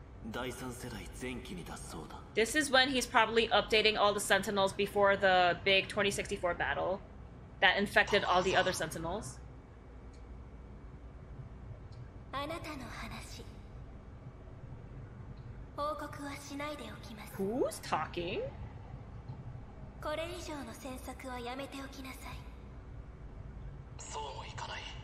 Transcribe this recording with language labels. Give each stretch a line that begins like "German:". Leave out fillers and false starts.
Japanese: 第三世代前期に出そうだ。
English: This is when he's probably updating all the Sentinels before the big 2064 battle that infected all the other Sentinels.
Japanese: あなたの話報告はしないでおきます。
English: Who's talking?
Japanese: これ以上の詮索はやめておきなさい。そうもいかない。